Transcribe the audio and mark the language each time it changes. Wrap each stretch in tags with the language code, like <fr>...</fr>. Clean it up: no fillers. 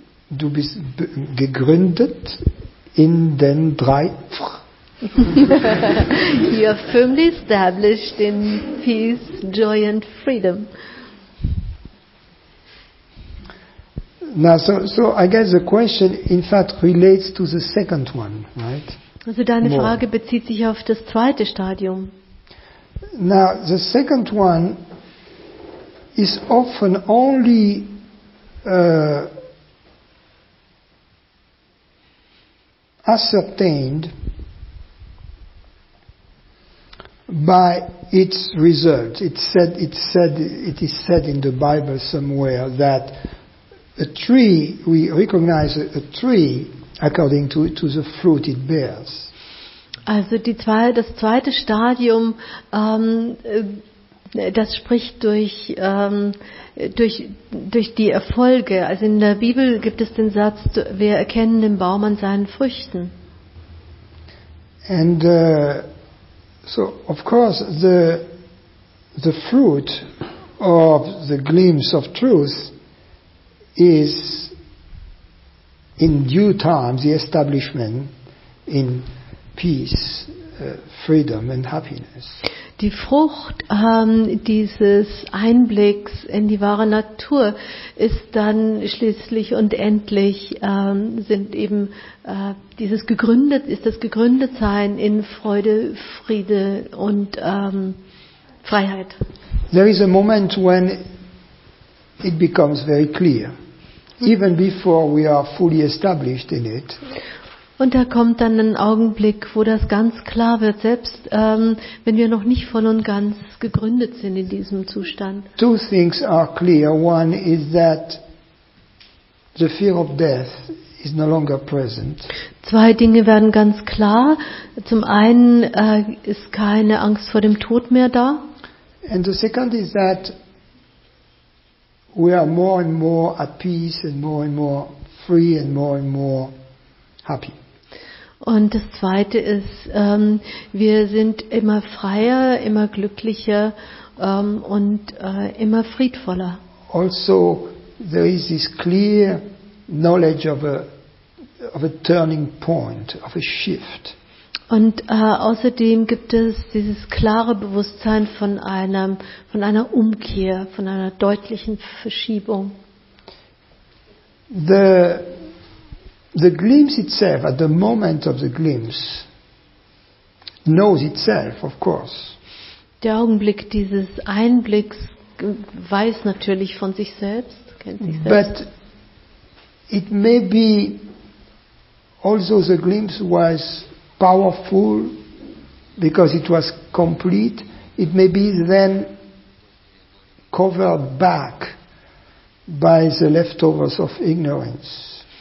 <de>Du bist gegründet in den drei</de> <en>You are firmly established in peace, joy and freedom. Now, so I guess the question in fact relates to the second one, right?</en> <de>Also deine More. Frage bezieht sich auf das zweite Stadium.</de> <en>Now, the second one is often only ascertained by its results. It is said in the Bible somewhere that we recognize a tree according to the fruit it bears.</en> <de>Also das zweite Stadium das spricht durch die Erfolge. Also in der Bibel gibt es den Satz, wir erkennen den Baum an seinen Früchten.</de> <en>And so, of course, the fruit of the glimpse of truth is in due time the establishment in peace, freedom and happiness.</en> <de>Die Frucht dieses Einblicks in die wahre Natur ist dann schließlich und endlich das Gegründetsein in Freude, Friede und Freiheit.</de> <en>There is a moment when it becomes very clear, even before we are fully established in it.</en> <de>Und da kommt dann ein Augenblick, wo das ganz klar wird, selbst wenn wir noch nicht voll und ganz gegründet sind in diesem Zustand.</de> <en>Two things are clear. One is that the fear of death is no longer present.</en> <de>Zwei Dinge werden ganz klar. Zum einen ist keine Angst vor dem Tod mehr da.</de> <en>And the second is that we are more and more at peace and more free and more happy.</en> <de>Und das Zweite ist, wir sind immer freier, immer glücklicher und immer friedvoller.</de> <en>Also, there is this clear knowledge of a turning point, of a shift.</en> <de>Und außerdem gibt es dieses klare Bewusstsein von einer Umkehr, von einer deutlichen Verschiebung.</de> <en>The glimpse itself, at the moment of the glimpse, knows itself, of course.</en> <de>Der Augenblick dieses Einblicks weiß natürlich von sich selbst, kennt sich selbst.</de> <en>But it may be also the glimpse was powerful because it was complete. It may be then covered back by the leftovers of ignorance.</en>